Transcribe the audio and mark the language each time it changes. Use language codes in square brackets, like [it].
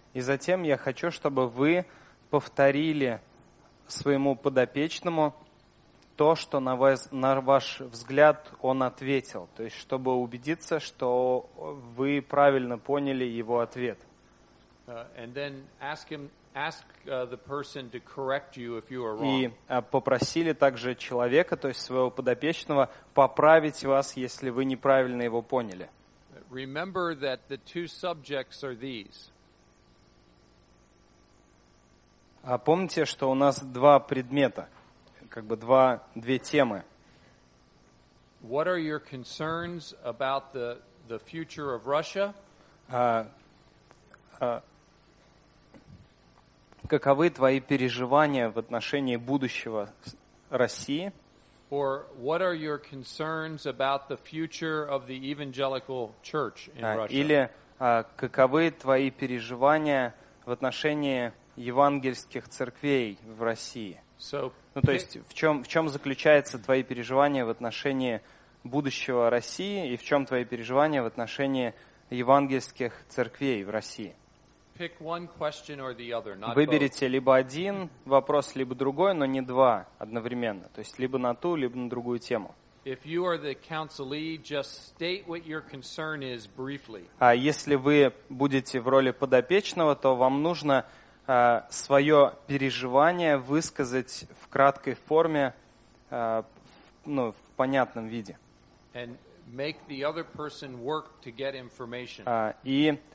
[ru] И затем я хочу, чтобы вы повторили своему подопечному то, что на ваш взгляд он ответил, то есть чтобы убедиться, что вы правильно поняли его ответ. [en] And then ask the person to correct you if you are wrong. [ru] И попросили также человека, то есть своего подопечного, поправить вас, если вы неправильно его поняли. [en] Remember that the two subjects are these. [ru] Помните, что у нас два предмета, как бы две темы. [en] What are your concerns about the future of Russia? [ru] Каковы твои переживания в отношении будущего России? [en] Or what are your concerns about the future of the evangelical church in Russia? [ru] Или каковы твои переживания в отношении евангельских церквей в России? [en] So, [ru] ну, то есть, в чем заключаются твои переживания в отношении будущего России и в чем твои переживания в отношении евангельских церквей в России? [en] Pick one question or the other, not [ru] выберите [en] both. [ru] Либо один вопрос, либо другой, но не два одновременно. То есть либо на ту, либо на другую тему. [en] If you are the counselee, just state what your concern is briefly. [ru] А если вы будете в роли подопечного, то вам нужно свое переживание высказать в краткой форме, в понятном виде. [en] And make the other person work to get information.